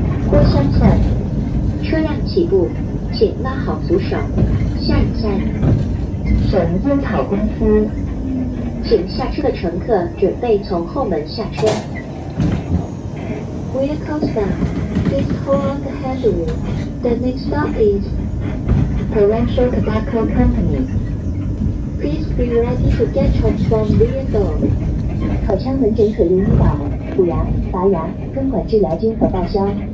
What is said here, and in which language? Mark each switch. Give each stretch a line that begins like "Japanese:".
Chinese: 郭巷村，车辆起步，请拉好扶手，下一站。省烟草公司，请下车的乘客准备从后门下车。
English: We're coasting. Please hold on the handrail. The next stop is Provincial Tobacco Company. Please be ready to get up from rear door.
Chinese: 口腔门诊可用医保、补牙、拔牙、根管治疗金和报销。